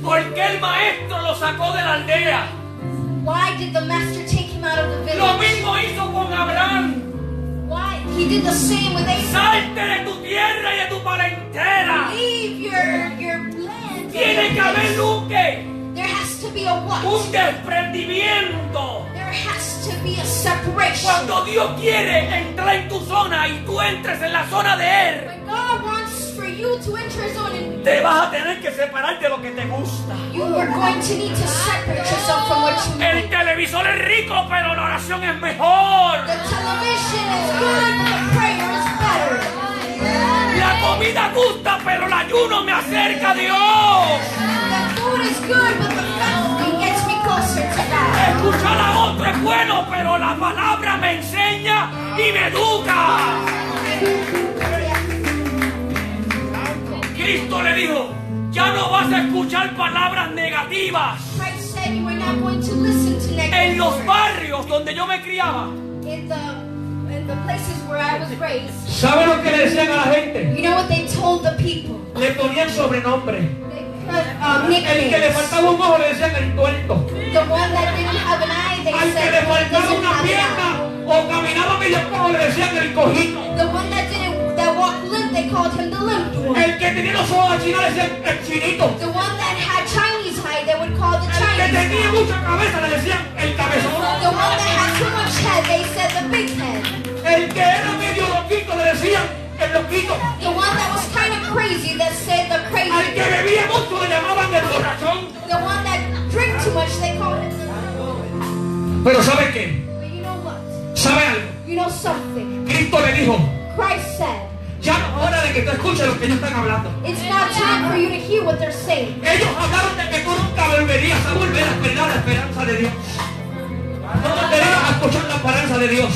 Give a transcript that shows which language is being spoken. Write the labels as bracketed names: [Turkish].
[Spanish] ¿Por qué el maestro lo sacó de la aldea? [English] Why did the master take him out of the village? [Spanish] Lo mismo hizo con Abraham. [English] Why? He did the same with Abraham. [Spanish] Salte de tu tierra y de tu parentela. [English] Leave your land. [Spanish] Tiene que haber un qué. [English] There has to be a what? [Spanish] Un desprendimiento. [English] There has to be a separation. [Spanish] Cuando Dios quiere entrar en tu zona y tú entres en la zona de Él, [English] when God wants for you to enter His zone, [Spanish] te vas a tener que separar de lo que te gusta. [English] You are going to need to separate yourself from what you El mean. [Spanish] Televisor es rico, pero la oración es mejor. [English] The television is good, but the prayer is better. [Spanish] La comida gusta, pero el ayuno me acerca a Dios. [English] The food is good, but the fasting gets me closer to God. [Spanish] Escuchar a otro es bueno, pero la palabra me enseña y me educa. Cristo le dijo, ya no vas a escuchar palabras negativas. [English] Christ said you are not going to listen to negative. [Spanish] En los barrios donde yo me criaba. [English] In the places where I was raised. [Spanish] ¿Sabe lo que le decían a la gente? [English] You know what they told the people. [Spanish] Le ponían sobrenombre. El que le faltaba un ojo le decían el tuerto. [English] The one that didn't have an eye, they [Spanish] Al [English] said. [Spanish] Al que le faltaba una pierna o caminaba medio cojo le decían el cojito. [English] The one that walked limp, they called him the limp one. [Spanish] El que tenía los ojos achinados le decían el chinito. [English] The one that had Chinese height, they would call the Chinese. [Spanish] El que tenía mucha cabeza le decían el cabezón. [English] The one that had too much head, they said the big head. [Spanish] El que era medio loquito le decían el loquito. [English] The one that was kind of crazy, they said the crazy. [Spanish] Al que bebía mucho le llamaban el borrachón. [English] The one that drank too much, they called him the [Spanish] limp. Pero ¿sabe qué? [English] But you know what? [Spanish] ¿Sabe algo? [English] You know something. [Spanish] Cristo le dijo. [English] Christ said. [Spanish] Ya no es hora de que tú escuches lo que ellos están hablando. [English] It's not time for you to hear what they're saying. [Spanish] Ellos hablaron de que tú nunca volverías a volver a esperar la esperanza de Dios. No volverías a escuchar la esperanza de Dios.